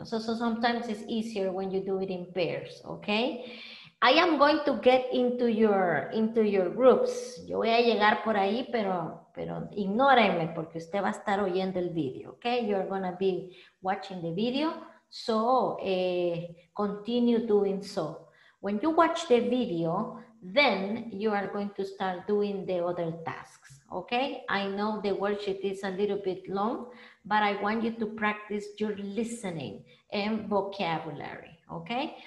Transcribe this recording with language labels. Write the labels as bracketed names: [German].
[English] So sometimes it's easier when you do it in pairs, okay? I am going to get into your groups. [Spanish] Yo voy a llegar por ahí, pero ignóreme, porque usted va a estar oyendo el video, okay? [English] You're gonna be watching the video, so continue doing so. When you watch the video, then you are going to start doing the other tasks, okay? I know the worksheet is a little bit long, but I want you to practice your listening and vocabulary, okay?